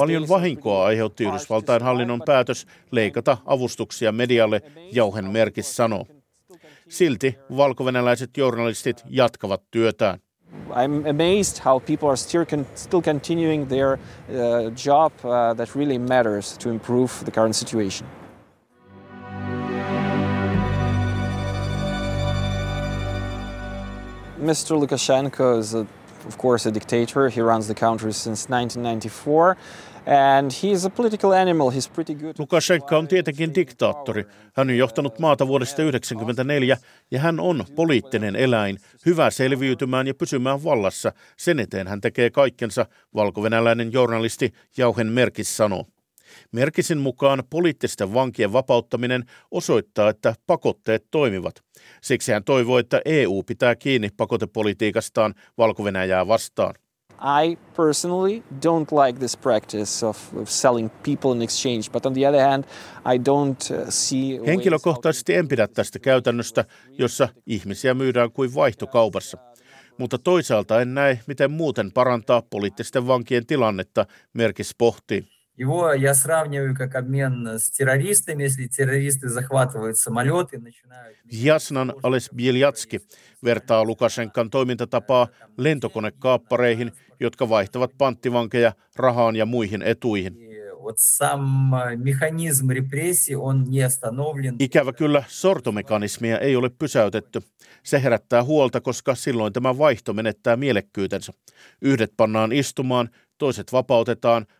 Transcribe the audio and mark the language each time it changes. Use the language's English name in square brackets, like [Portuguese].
[Finnish] paljon vahinkoa aiheutti Yhdysvaltain hallinnon päätös leikata avustuksia medialle, Jauhen Merkis sanoo. Silti valkovenäläiset journalistit jatkavat työtään. [English] I'm amazed how people are still continuing their job that really matters to improve the current situation. Mr. Lukashenko is of course a dictator. He runs the country since 1994. And he is a political animal. He's pretty good. [Finnish] Lukashenko on tietenkin diktaattori. Hän on johtanut maata vuodesta 1994 ja hän on poliittinen eläin, hyvä selviytymään ja pysymään vallassa. Sen eteen hän tekee kaikkensa, valkovenäläinen journalisti Jauhen Merkis sanoo. Merkisin mukaan poliittisten vankien vapauttaminen osoittaa, että pakotteet toimivat. Siksi hän toivoo, että EU pitää kiinni pakotepolitiikastaan Valko-Venäjää vastaan. [English] I personally don't like this practice of selling people in exchange, but on the other hand, I don't see. [Finnish] Henkilökohtaisesti en pidä tästä käytännöstä, jossa ihmisiä myydään kuin vaihtokaupassa. Mutta toisaalta en näe, miten muuten parantaa poliittisten vankien tilannetta, Merkis pohtii. [Russian] Его я сравниваю как обмен с террористами, если террористы захватывают самолёт и начинают. [Finnish] Jasnan Ales Bieljatski vertaa Lukashenkan toimintatapaa lentokonekaappareihin, jotka vaihtavat panttivankeja rahaan ja muihin etuihin. [Russian] Вот сам механизм репрессии, он не остановлен. [Finnish] Ikävä kyllä, sortomekanismia ei ole pysäytetty. Se herättää huolta, koska silloin tämä vaihto menettää mielekkyytensä. Yhdet pannaan istumaan, toiset vapautetaan.